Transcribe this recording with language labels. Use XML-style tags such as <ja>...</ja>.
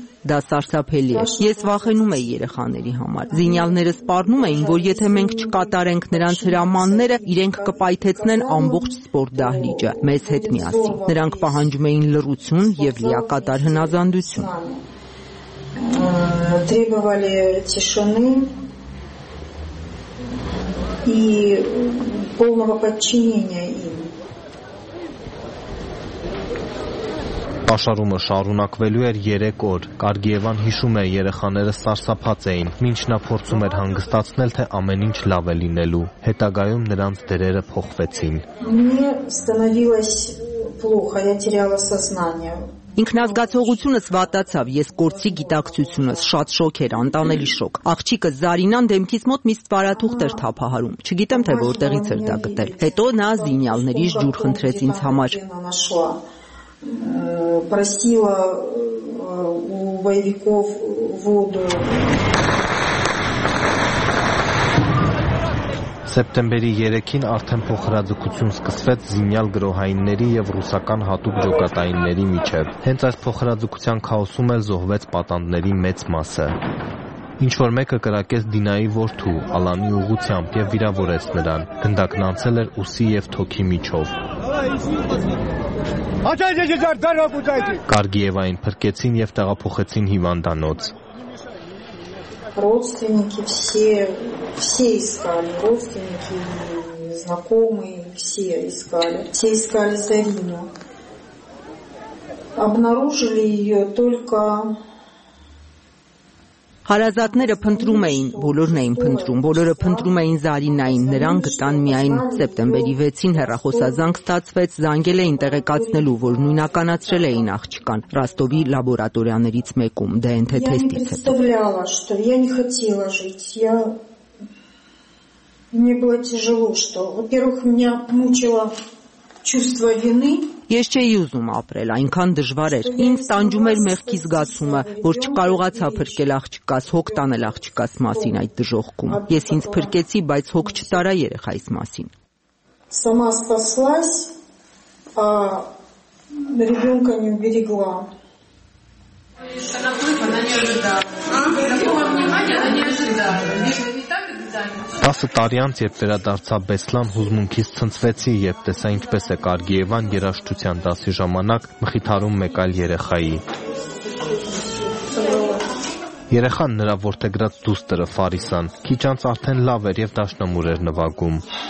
<hy>Դա սարսափելի է։ Ես վախենում էի երեխաների համար։ Զինյալները սպառնում էին, որ եթե մենք չկատարենք նրանց հրամանները, իրենք կպայթեցնեն ամբողջ սպորտ դահլիճը մեզ հետ միասին։ Նրանք պահանջում էին լռություն և լիակատար հնազանդություն։</hy> <ru>Требовали тишины и полного подчинения им.</ru> <hy>Պաշարումը շարունակվելու էր 3 օր։ Կարգիևան հիշում է, երեխաները սարսափած էին, մինչ նա փորձում էր հանգստացնել, թե ամեն ինչ լավ է լինելու։ Հետագայում նրանց դերերը փոխվեցին։ Ինքնազգացողությունս վատացավ, ես կորցրի գիտակցությունս, շատ շոկ էր, անտանելի շոկ։ Աղջիկը Զարինան դեմքից մոտ միստ վարաթուղթ էր թափահարում, չգիտեմ թե որտեղից էր դա գտել։ Հետո նա զինյալների ջուր խնդրեց ինձ համար։</hy> <ru>Просила у боевиков воду.</ru> <hy>Սեպտեմբերի 3-ին արդեն փոխհրաձգություն սկսվեց զինյալ գրոհայինների և ռուսական հատուկ ջոկատայինների միջև։ Հենց այս փոխհրաձգության քաոսում էլ զոհվեց պատանդների մեծ մասը։ Ինչ որ մեկը կրակեց Դինայի որդու, Ալանի ուղությամբ և վիրավորեց նրան, գնդակն անցել էր ուսի և թոքի միջով։ Կարգիևային փրկեցին և տեղափոխեցին հիվանդանոց։</hy> <ru>Родственники все искали, родственники, знакомые, все искали Зарину. Обнаружили ее только...</ru> <hy>Հարազատները փնտրում էին, բոլորն էին փնտրում, բոլորը փնտրում էին Զարինային, նրան գտան միայն սեպտեմբերի 6-ին հեռախոսազանգ ստացվեց, զանգել էին տեղեկացնելու, որ նույնականացրել էին աղջկան Ռաստովի լաբորատորիաներից մեկում ԴՆԹ թեստից հետո։</hy> <ru>Мне было тяжело, что, во-первых, меня мучило чувство вины.</ru> <hy>Ես չէի ուզում ապրել, այնքան դժվար էր։ Ինձ տանջում էր մեղքի զգացումը, որ չկարողացա փրկել աղջկաս, հոգ տանել աղջկաս մասին այդ դժոխքում։ Ես ինձ փրկեցի, բայց հոգ չտարա երեխայիս մասին։</hy> <ru>Сама спаслась, а ребёнка не берегла.</ru> <hy>Տասը տարի անց, երբ վերադարձա Բեսլան, հուզմունքից ցնցվեցի, երբ տեսա ինչպես է Կարգիևան երաժշտության դասի ժամանակ մխիթարում մեկ այլ երեխայի։ Երեխան նրա որդեգրած դուստրը Ֆարիսան, քիչ անց արդեն լավ էր և դաշնամուր էր նվագում։</hy>